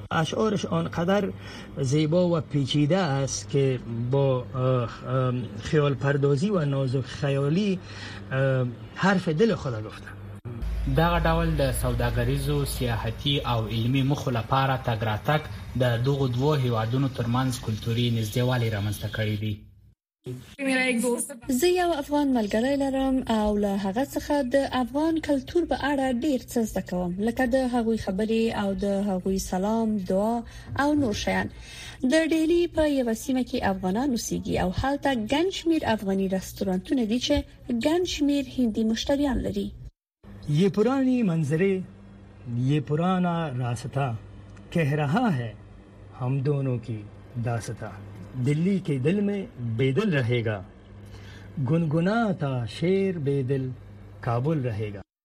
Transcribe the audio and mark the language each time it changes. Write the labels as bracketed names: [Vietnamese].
[Persian] اشعارش آنقدر زیبا و پیچیده است که با خیال پردازی و نازک خیالی حرف دل خود گفته. [Pashto] دغه ډول د سوداګریزو سیاحتي او علمی مخو لپاره تګ راتګ د دوغه دوه هیوادونو ترمنځ کلتوري نږدېوالی رامنځته کړی دی. زه یو افغان ملګری لرم او له هغه څخه د افغان کلتور په اړه ډیر څه زده کوم، لکه د هغوی خبرې او د هغوی سلام، دعا او نور شیان. د ډیلی په یوه سیمه کې افغانان اوسیږي او هلته ګڼ شمیر افغاني رستورانتونه دي چې ګڼ شمیر هندي مشتریان لري. [Urdu] یہ پرانی منظرے، یہ پرانا راستہ، کہہ رہا ہے ہم دونوں کی داستہ. دلی کے دل میں بے دل رہے گا، گنگنا تا شیر بے دل کابل رہے گا.